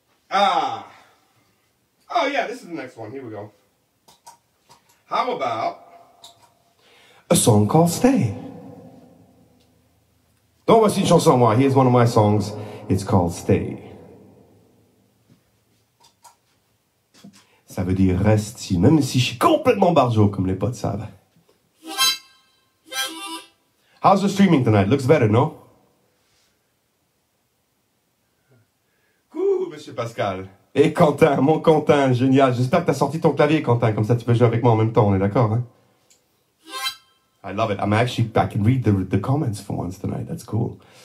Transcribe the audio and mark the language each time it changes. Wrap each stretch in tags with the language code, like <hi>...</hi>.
<en>Oh yeah, this is the next one, here we go. How about a song called Stay? Don't watch</en> <fr>une chanson moi,</fr> <en>here's one of my songs, it's called Stay.</en> <fr>Ça veut dire reste si, même si je suis complètement barjo, comme les potes savent.</fr> <en>How's the streaming tonight? Looks better, no? Cool, monsieur Pascal.</en> <fr>Et Quentin, mon Quentin, génial. J'espère que t'as sorti ton clavier, Quentin, comme ça tu peux jouer avec moi en même temps, on est d'accord, hein?</fr> <en>I love it. I'm actually, I can read the comments for once tonight, that's cool.</en>